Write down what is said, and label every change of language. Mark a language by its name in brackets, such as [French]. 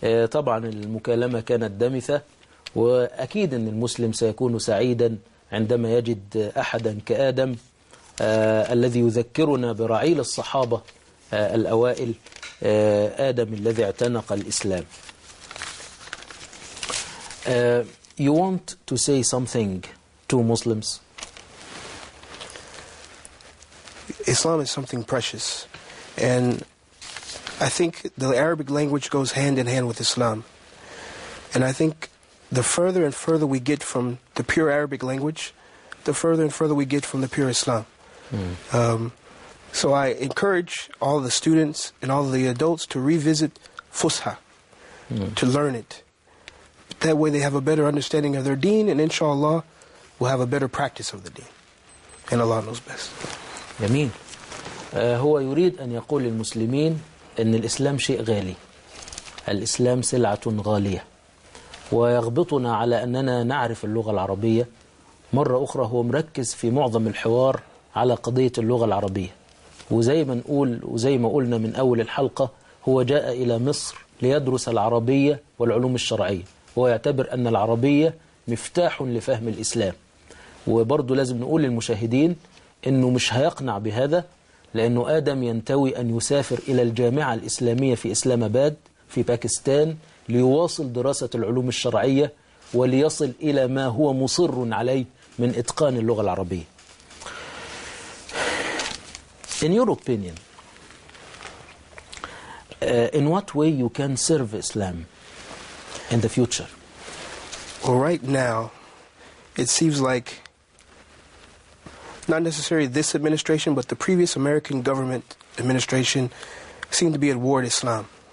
[Arabic] طبعا المكالمة كانت دمثة، وأكيد أن المسلم سيكون سعيدا عندما يجد أحدا كآدم الذي يذكرنا برعيل الصحابة الأوائل، آدم الذي اعتنق الإسلام. [English] You want to say something to Muslims? Islam is something precious, and I think the Arabic language goes hand in hand with Islam, and I think the further and further we get from the pure Arabic language, the further and further we get from the pure Islam. So I encourage all the students and all the adults to revisit Fusha, to learn it. That way they have a better understanding of their deen, and inshallah will have a better practice of the deen. And Allah knows best. Yameen. [Arabic] هو يريد أن يقول للمسلمين أن الإسلام شيء غالي. الإسلام سلعة غالية. ويغبطنا على أننا نعرف اللغة العربية. مرة أخرى هو مركز في معظم الحوار على قضية اللغة العربية، وزي ما نقول وزي ما قلنا من أول الحلقة، هو جاء إلى مصر ليدرس العربية والعلوم الشرعية، ويعتبر أن العربية مفتاح لفهم الإسلام. وبرضو لازم نقول للمشاهدين أنه مش هيقنع بهذا، لأنه آدم ينتوي أن يسافر إلى الجامعة الإسلامية في إسلام أباد في باكستان ليواصل دراسة العلوم الشرعية، وليصل إلى ما هو مصر عليه من إتقان اللغة العربية. [English] In your opinion, in what way you can serve Islam in the future? Well, right now, it seems like not necessarily this administration, but the previous American government administration seemed to be at war with Islam.